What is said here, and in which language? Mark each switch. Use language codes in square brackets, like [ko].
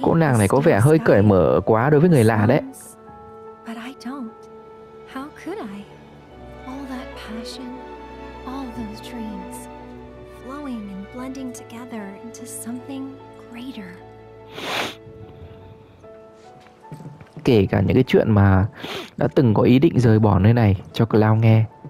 [vi] Cô nàng này có vẻ hơi cởi mở quá đối với người lạ đấy. [en] But I don't. How could I? All that passion, all those dreams, flowing and blending together into something greater. [vi] Kể cả những cái chuyện mà đã từng có ý định rời bỏ nơi này cho Cloud nghe.